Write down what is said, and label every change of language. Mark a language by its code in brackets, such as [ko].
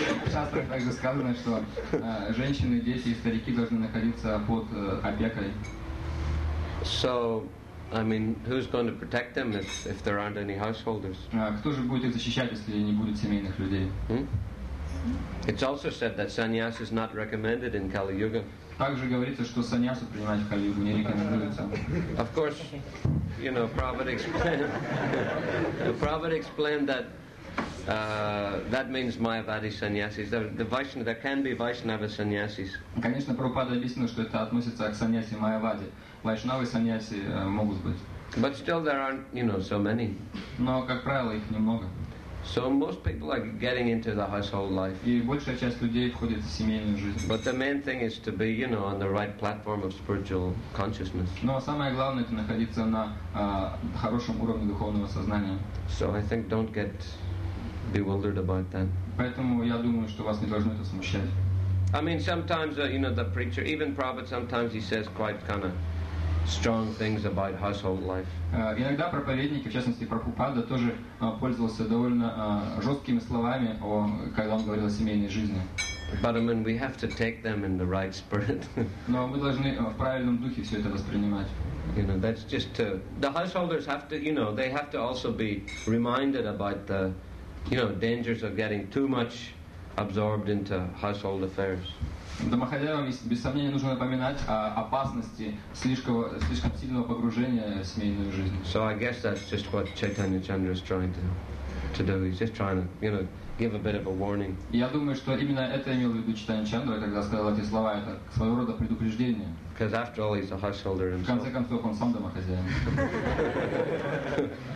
[ru] Часто также сказано, что женщины, дети и старики должны находиться под опекой. [en] So, I mean, who's going to protect them if there aren't any householders? [ru] Кто же будет их защищать, если не будет семейных людей? [en] It's also said that sannyas is not recommended in Kali Yuga. [ru] Также говорится, что саньясу принимать в Кали-Югу не рекомендуется. [en] Of course, you know, Prabhupada explained that that means Mayavadi sannyasis. There can be Vaishnava sannyasis. [ru] Конечно, Прабхупада объяснил, что это относится к саньяси Майавади. Вайшнавы саньяси могут быть. [en] But still there aren't, you know, so many. [ru] Но, как правило, их немного. [en] So most people are getting into the household life. [ru] И большая часть людей входит в семейную жизнь. [en] But the main thing is to be, you know, on the right platform of spiritual consciousness. [ru] Но самое главное это находиться на хорошем уровне духовного сознания. [en] So I think don't get bewildered about that. [ru] Поэтому я думаю, что вас не должно это смущать. [en] I mean, sometimes you know, the preacher, even Prabhupada, sometimes he says quite kind of strong things about household life. [ru] Иногда проповедники, в частности Прабхупада, тоже пользовался довольно жесткими словами, когда он говорил о семейной жизни. [en] But I mean, we have to take them in the right spirit. [ru] Но мы должны в правильном духе все это воспринимать. [en] You know, that's just to, the householders have to, you know, they have to also be reminded about the, you know, dangers of getting too much absorbed into household affairs. [ru] Домохозяевам, без сомнения, нужно напоминать о опасности слишком сильного погружения в семейную жизнь. [en] So I guess that's just what Chaitanya Chandra is trying to do. He's just trying to, you know, give a bit of a warning. [ru] Я думаю, что именно это имел в виду Чайтанья Чандра, когда сказал эти слова, это своего рода предупреждение. [en] Because after all, he's a householder himself. [ru] В конце концов, он сам домохозяин.